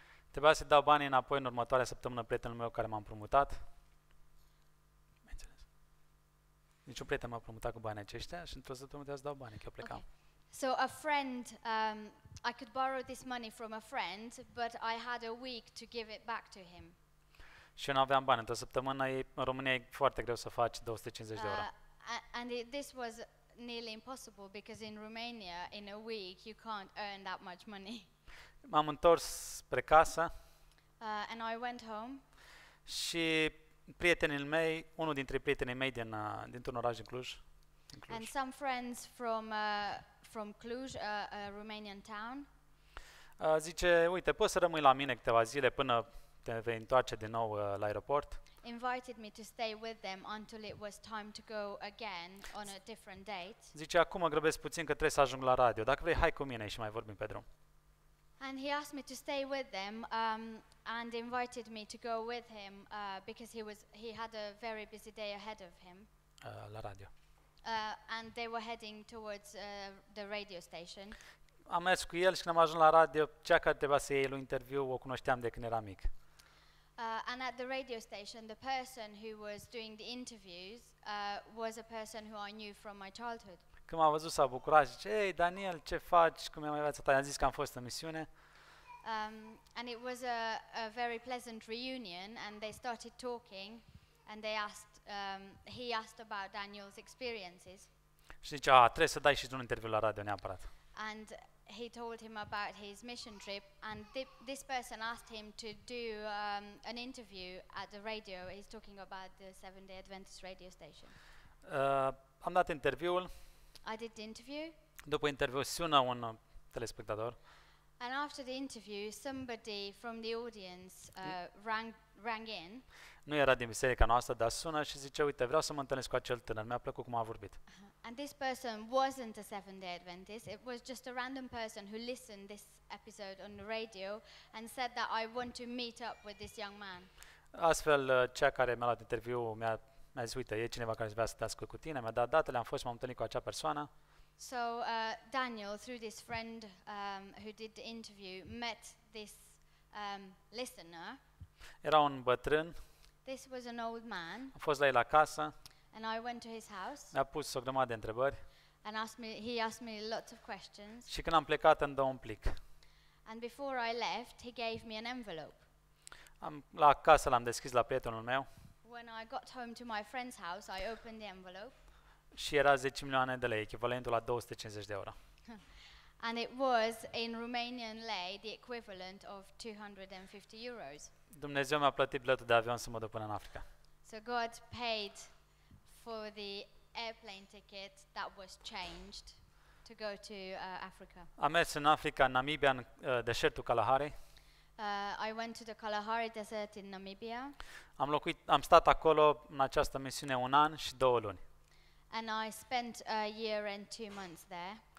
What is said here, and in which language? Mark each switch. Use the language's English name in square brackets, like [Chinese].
[Romanian] Trebuia să dau banii înapoi în următoarea săptămână prietenul meu care m-a împrumutat. Înțeles. Niciun prieten m-a împrumutat cu banii aceștia și într-o săptămână trebuia să dau banii că eu plecam. [English] Okay. So a friend, I could borrow this money from a friend, but I had a week to give it back to him. [Romanian] Și eu nu aveam bani. Într-o săptămână în România e foarte greu să faci 250 de euro. [English] This was nearly impossible because in Romania in a week you can't earn that much money. [Romanian] M-am întors spre casă. [English] And I went home. [Romanian] Și prietenii mei, unul dintre prietenii mei dintr-un oraș din Cluj. [English] And some friends from Cluj, a Romanian town. [Romanian] Zice: "Uite, poți să rămâi la mine câteva zile până te vei întoarce din nou la aeroport." [English] Invited me to stay with them until it was time to go again on a different date. [Romanian] Zice: "Acum mă grăbesc puțin că trebuie să ajung la radio. Dacă vrei, hai cu mine și mai vorbim pe drum." [English] And he asked me to stay with them and invited me to go with him because he had a very busy day ahead of him. [Romanian] La radio. [English] And they were heading towards the radio station. [Romanian] Am mers cu el și când am ajuns la radio, cea care trebuia să iei lui interviu, o cunoșteam de când era mic. [English] And at the radio station, the person who was doing the interviews was a person who I knew from my childhood. [Romanian] Când m-a văzut s-a bucurat, zice: "Hey, Daniel, ce faci? Cum e mai viața ta?" I-am zis că am fost în misiune. [English] And it was a very pleasant reunion and they started talking and they asked he asked about Daniel's experiences. [Romanian] Și zice: "A, trebuie să dai și tu un interviu la radio neapărat." [English] And he told him about his mission trip and this person asked him to do an interview at the radio. He's talking about the Seventh-day Adventist radio station. [Romanian] Am dat interviul. [English] I did the interview. [Romanian] După interviu sună un telespectator. [English] And after the interview somebody from the audience rang in. [Romanian] Nu era din biserica noastră, dar sună și zice: "Uite, vreau să mă întâlnesc cu acel tânăr, mi-a plăcut cum a vorbit." [English] And this person wasn't a Seventh-day Adventist. It was just a random person who listened this episode on the radio and said that I want to meet up with this young man. [Romanian] Astfel, cea care mi-a luat interviu mi-a zis: "Uite, e cineva care vrea să te ascult cu tine." Mi-a dat datele, am fost și m-am întâlnit cu acea persoană. [English] So Daniel, through this friend who did the interview, met this listener. [Romanian] Era un bătrân. [English] This was an old man. [Romanian] A fost la el acasă. [English] And I went to his house. [Romanian] Mi-a pus o grămadă de întrebări. [English] And he asked me lots of questions. [Romanian] Și când am plecat, îmi dă un plic. [English] And before I left, he gave me an envelope. [Romanian] La acasă l-am deschis la prietenul meu. [English] When I got home to my friend's house, I opened the envelope. [Romanian] Și era 10 milioane de lei, echivalentul la 250 de euro. [English] And it was in Romanian lei, the equivalent of 250 euros. [Romanian] Dumnezeu mi-a plătit biletul de avion să mă duc până în Africa. [English] So God paid for the airplane ticket that was changed to go to Africa. [Romanian] Am mers în Africa, în Namibia, în deșertul Kalahari. [English] I went to the Kalahari desert in Namibia. [Romanian] Am stat acolo în această misiune un an și două luni. [English] And I spent a year and 2 months there.